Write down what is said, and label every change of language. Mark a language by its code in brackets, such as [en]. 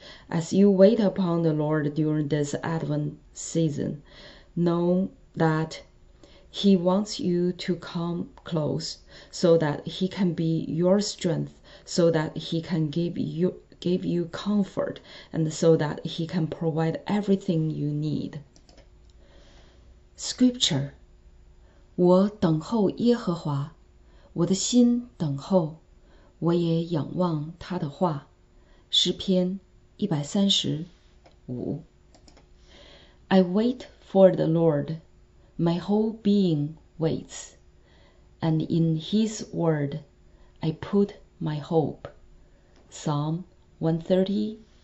[en] As you wait upon the Lord during this Advent season, know that he wants you to come close so that he can be your strength, so that he can give you comfort, and so that he can provide everything you need. Scripture. [zh] 我等候耶和华，我的心等候，我也仰望他的话。诗篇135。 [en] I wait for the Lord, my whole being waits, and in his word I put my hope. Psalm 130:5.